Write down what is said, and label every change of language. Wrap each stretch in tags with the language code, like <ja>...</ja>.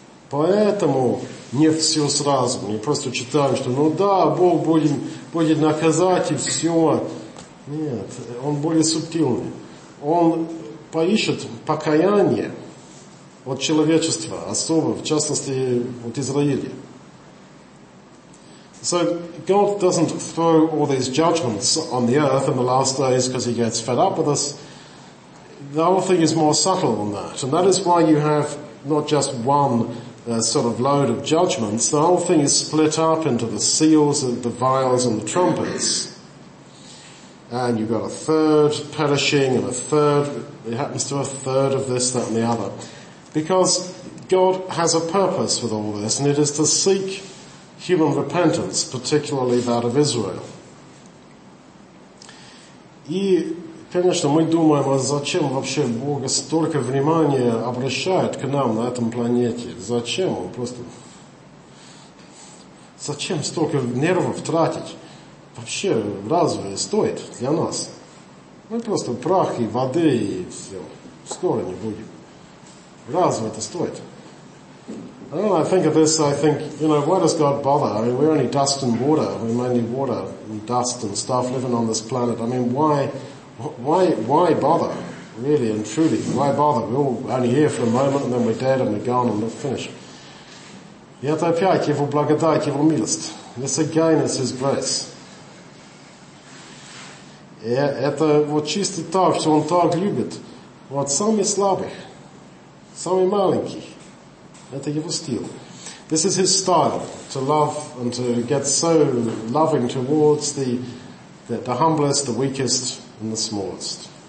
<ru>Поэтому не все сразу. Мы просто читаем, что ну да, Бог будет наказать и все. Нет, он более субтильный. Он поищет покаяние от человечества, особо, в частности, от Израиля.</ru> <en>So God doesn't throw all these judgments on the earth in the last days because he gets fed up with us. The whole thing is more subtle than that. And that is why you have not just one sort of load of judgments. The whole thing is split up into the seals and the vials and the trumpets. And you've got a third perishing and a third, it happens to a third of this, that and the other. Because God has a purpose with all this, and it is to seek human repentance, particularly that of Israel.</en> <ru>И, конечно, мы думаем, а зачем вообще Бог столько внимания обращает к нам на этом планете? Зачем? Он просто... Зачем столько нервов тратить? Вообще, разве стоит для нас? Мы просто прах и воды и все. Скоро не будем. Разве это стоит?</ru> <en>And when I think of this, I think, you know, why does God bother? I mean, we're only dust and water. We're mainly water and dust and stuff living on this planet. I mean, why bother? Really and truly, why bother? We're all only here for a moment and then we're dead and we're gone and we're finished.</en> <ru>И это опять его благодать, его милость.</ru> <en>This again is his grace.</en> <ru>Это вот чисто так, что он так любит. Вот самые слабые, самые маленькие. Это его стиль.</ru> <en>This is his style, to love and to get so loving towards the humblest, the weakest, and the smallest.</en>